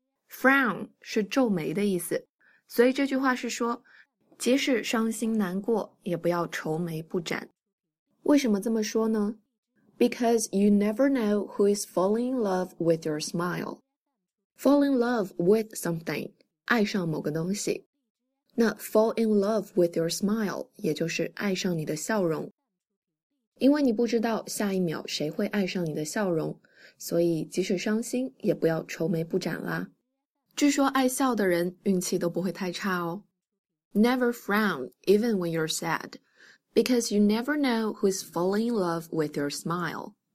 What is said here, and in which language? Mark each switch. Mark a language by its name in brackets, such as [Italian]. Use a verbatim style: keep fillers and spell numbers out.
[Chinese] Frown 是皱眉的意思，所以这句话是说，即使伤心难过，也不要愁眉不展。为什么这么说呢？ [English] Because you never know who is falling in love with your smile. Fall in love with something, 爱上某个东西。 [Chinese] 那 fall in love with your smile 也就是爱上你的笑容，因为你不知道下一秒谁会爱上你的笑容，所以即使伤心也不要愁眉不展啦。据说爱笑的人运气都不会太差哦。 [English] Never frown even when you're sad, because you never know who's falling in love with your smile.